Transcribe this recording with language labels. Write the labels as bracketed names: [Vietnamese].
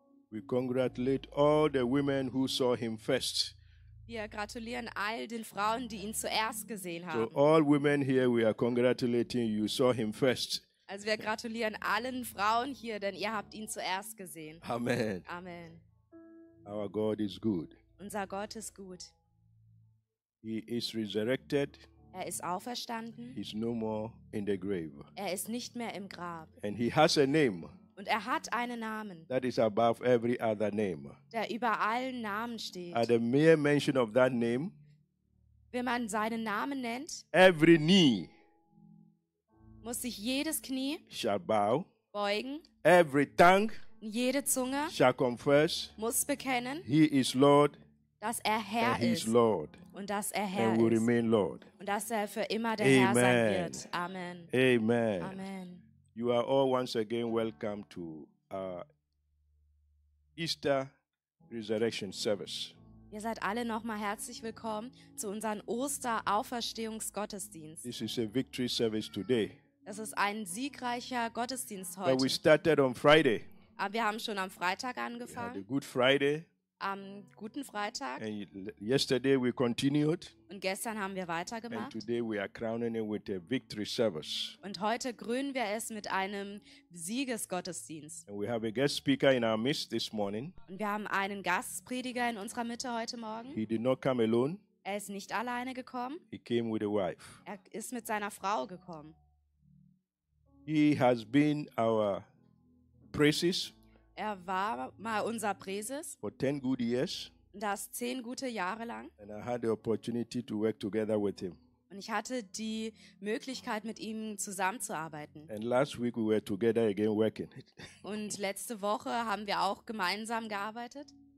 [English] We congratulate all the women who saw him first. [German] Wir gratulieren all den Frauen, die ihn zuerst gesehen haben. [English] So all women here, we are congratulating you. Saw him first. [German] Also wir gratulieren allen Frauen hier, denn ihr habt ihn zuerst gesehen. Amen. Amen. [English] Our God is good. [German] Unser Gott ist gut. [English] He is resurrected. [German] Er ist auferstanden. [English] He's no more in the grave. [German] Er ist nicht mehr im Grab. [English] And he has a name. [German] Und er hat einen Namen. [English] That is above every other name. [German] Der über allen Namen steht. [English] At the mere mention of that name, [German] wenn man seinen Namen nennt, [English] every knee [German] muss sich jedes Knie [English] shall bow, [German] beugen. [English] Every tongue, [German] jede Zunge [English] shall confess, [German] muss bekennen. [English] He is Lord. [German] Dass er Herr [English] and he's [German] ist [English] Lord. [German] Und dass er Herr [English] and will [German] ist. [English] Remain Lord. [German] Und dass er für immer der Herr sein wird. Amen. Amen. Amen. [English] You are all once again welcome to our Easter Resurrection Service. [German] Ihr seid alle nochmal herzlich willkommen zu unserem Osterauferstehungsgottesdienst. [English] This is a victory service today. [German] Das ist ein siegreicher Gottesdienst heute. [English] But we started on Friday. [German] Aber wir haben schon am Freitag angefangen. [English] We had a good Friday. [German] Am guten Freitag. [English] And yesterday we continued. [German] Und gestern haben wir weitergemacht. [English] And today we are crowning it with a victory service. [German] Und heute krönen wir es mit einem Siegesgottesdienst. [English] And we have a guest speaker in our midst this morning. [German] Und wir haben einen Gastprediger in unserer Mitte heute Morgen. [English] He did not come alone. [German] Er ist nicht alleine gekommen. [English] He came with a wife. [German] Er ist mit seiner Frau gekommen. [English] He has been our praises. [German] Er war mal unser Präses. [English] For 10 good years. [German] Das 10 gute Jahre lang. [English] And I had the opportunity to work together with him. [German] Und ich hatte die Möglichkeit, mit ihm zusammenzuarbeiten. [English] And last week we were together again working. [German] Und letzte Woche haben wir auch gemeinsam gearbeitet.